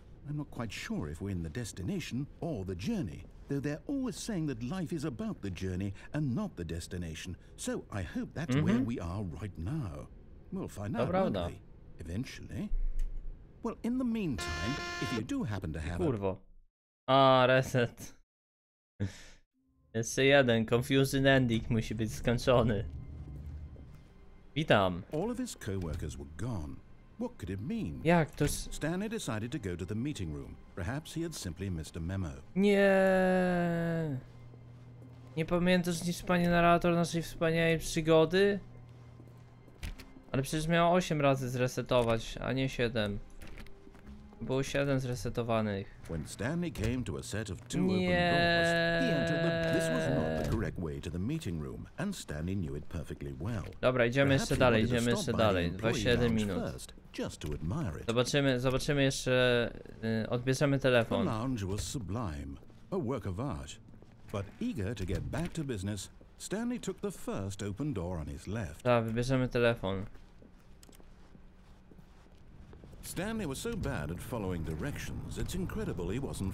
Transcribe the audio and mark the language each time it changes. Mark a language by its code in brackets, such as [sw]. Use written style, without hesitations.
[en] I'm not quite sure if we're in the destination or the journey, though they're always saying that life is about the journey and not the destination. So I hope that's mm-hmm. where we are right now. We'll find out, won't we? Eventually. Well, in the meantime, if you do happen to have [pl] kurwa. A... reset. Jeszcze jeden [en] confusing ending [pl] musi być skończony. Witam. [en] All of his co-workers were gone. What could it mean? [pl] Jak to s- [en] Stanley decided to go to the meeting room. Perhaps he had simply missed a memo. [pl] Nie. Nie pamiętasz nic, panie narrator naszej wspaniałej przygody? Ale przecież miał 8 razy zresetować, a nie 7. Było 7 zresetowanych. [en] When Stanley came to a set of two open doors, he entered the... This was not the correct way to the meeting room, and Stanley knew it perfectly well. [pl] Dobra, idziemy jeszcze dalej, idziemy jeszcze dalej. 27 minut. [en] Just to admire it. [pl] Zobaczymy, zobaczymy jeszcze, odbierzemy telefon. [en] The lounge was sublime, a work of art. But eager to get back to business, Stanley took the first open door on his left. [pl] Tak, wybierzemy telefon. [en] Stanley was so bad at following directions, it's incredible he wasn't